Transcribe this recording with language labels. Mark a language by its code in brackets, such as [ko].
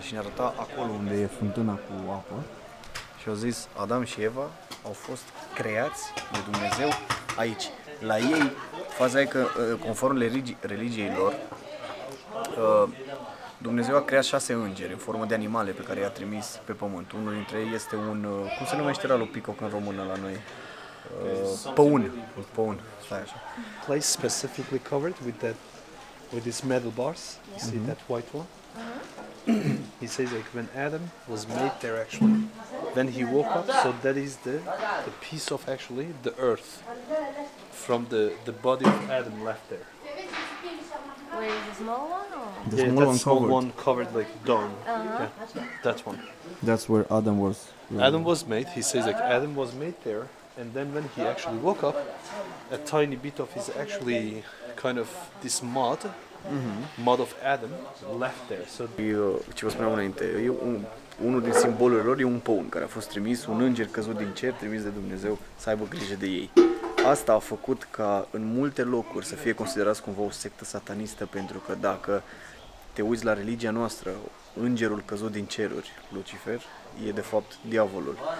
[ro] Și ne arăta acolo unde e fântâna cu apă. Și au zis, Adam și Eva au fost creați de Dumnezeu aici. La ei, faza e că, conform religiei lor, Dumnezeu a creat 6 îngeri în formă de animale pe care i-a trimis pe pământ. Unul dintre ei este un, cum se numește ralu picoc în română la noi? Păun, stai așa. [en] Place specifically covered with that, with these metal bars, you see that white one? He says like when Adam was made there actually, then he woke up, so that is the piece of actually the earth from the body of Adam left there. Where is the small one? Or? The small one covered. One covered like dawn. Uh-huh. Yeah, that one. That's where Adam was. Right? Adam was made, he says like Adam was made there, and then when he actually woke up, a tiny bit of his actually kind of this mud, mod of Adam left there. So [ro] ce vă spuneam înainte, unul din simbolurile lor e un păun care a fost trimis, un înger căzut din cer, trimis de Dumnezeu să aibă grijă de ei. Asta a făcut ca în multe locuri să fie considerat cumva o sectă satanistă, pentru că dacă te uiți la religia noastră, îngerul căzut din ceruri, Lucifer, e de fapt diavolul.